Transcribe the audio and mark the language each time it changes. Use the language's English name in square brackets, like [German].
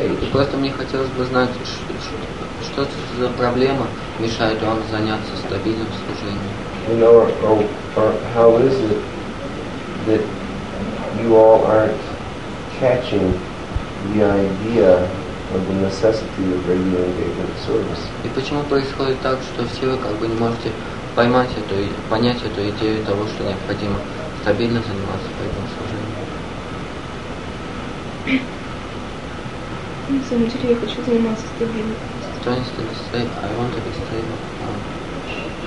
[Russian] Просто мне хотелось бы знать, что это за проблема мешает вам заняться стабильным служением. [English] You know, or how is it that you all aren't catching the idea of the necessity of regular engagement service? [Russian] И почему происходит так, что все вы как бы не можете поймать эту понять эту идею того, что необходимо стабильно заниматься этим служением? На самом деле я хочу заниматься стабильно. [English] I want to be stable.